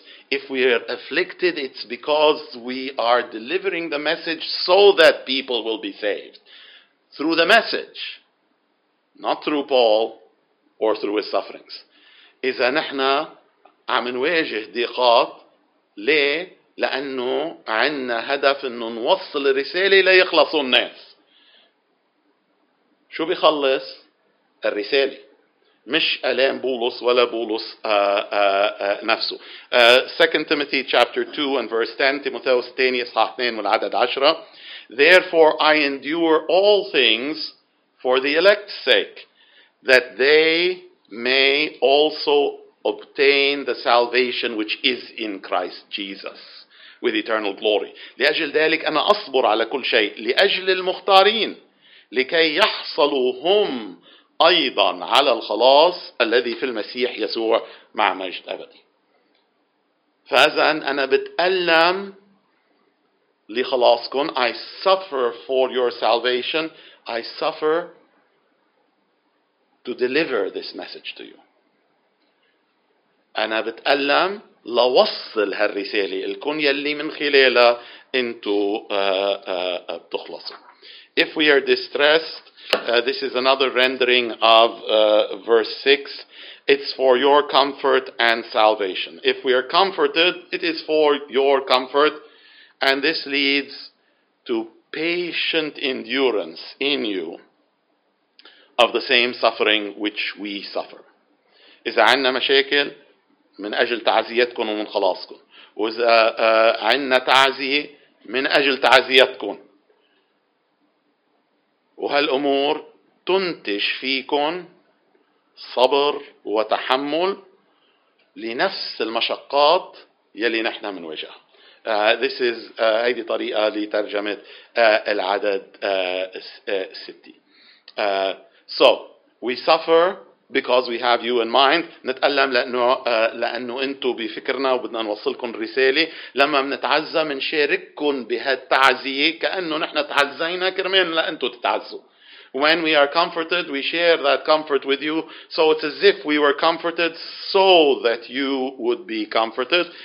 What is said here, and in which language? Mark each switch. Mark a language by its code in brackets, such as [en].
[en] If we are afflicted, it's because we are delivering the message so that people will be saved through the message, not through Paul or through his sufferings. [ar] إذا نحن عم نواجه ضيقات ليه؟ لأنه عنا هدف إنه نوصل الرسالة ليخلصوا الناس. شو بيخلص؟ الرسالة. مش ألام بولس ولا بولس نفسه. [en] 2 Timothy chapter 2 and verse 10, [ar] تيموثاوس الثاني إصحاح 2 والعدد 10. [en] Therefore I endure all things for the elect's sake, that they may also obtain the salvation which is in Christ Jesus with eternal glory. [ar] لأجل ذلك أنا أصبر على كل شيء لأجل المختارين لكي يحصلوا هم أيضا على الخلاص الذي في المسيح يسوع مع مجد أبدي. فإذن أنا بتألم لخلاصكم. [en] I suffer for your salvation. I suffer to deliver this message to you. [ar] أنا بتألم لوصل هالرسالة لكم يلي من خلالها أنتوا بتخلصوا. [en] If we are distressed, this is another rendering of verse 6. It's for your comfort and salvation. If we are comforted, it is for your comfort. And this leads to patient endurance in you of the same suffering which we suffer. [ar] إذا عندنا مشاكل من أجل تعزيتكم ومن خلاصكم. وإذا عندنا تعزية من أجل تعزيتكم. وهالأمور تنتج فيكم صبر وتحمل لنفس المشقات يلي نحن منواجهها. This is هيدي طريقة لترجمة العدد 60. [en] So we suffer because we have you in mind. [ar] نتألم لأنه أنتوا بفكرنا وبدنا نوصلكم رسالة. لما منتعزى منشارككم بهالتعزية كأنه نحن تعزينا كرمال لأنتوا تتعزوا. [en] When we are comforted, we share that comfort with you. So it's as if we were comforted so that you would be comforted.